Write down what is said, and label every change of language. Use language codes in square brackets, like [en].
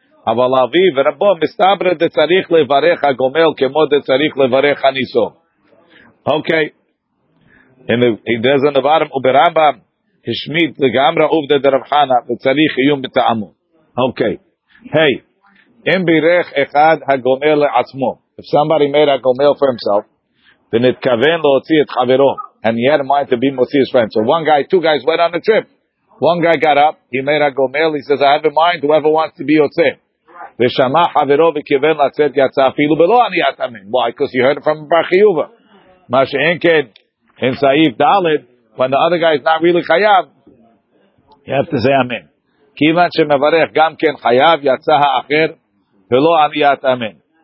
[he] אבל אבי ורבו מסתברא דצריך לברך הגומל כמו דצריך לברך הניסו. [en] Okay. And he does in the bottom, [he] וברמב"ם השמיד לגמרי עובדא דרב חנא וצריך עיון בטעמו. [en] Okay. Hey, [he] אם בירך אחד הגומל לעצמו, [en] if somebody made a gomel for himself, [he] ונתכוון להוציא את חברו, [en] and he had a mind to be מוציא his friend. So one guy, two guys went on a trip. One guy got up, he made a gomel, he says, I have a mind, whoever wants to be יוצא. [he] ושמע חברו וכיוון לצאת יצא אפילו בלא אני אתמין. [en] Why? Because you heard it from Bar Chiyuva. [he] מה שאין כן, [en] in Saif Dalet, when the other guy is not really חייב, you have to say amen. [he] כיוון שמברך גם כן חייב, יצא האחר, ולא אני אתמין.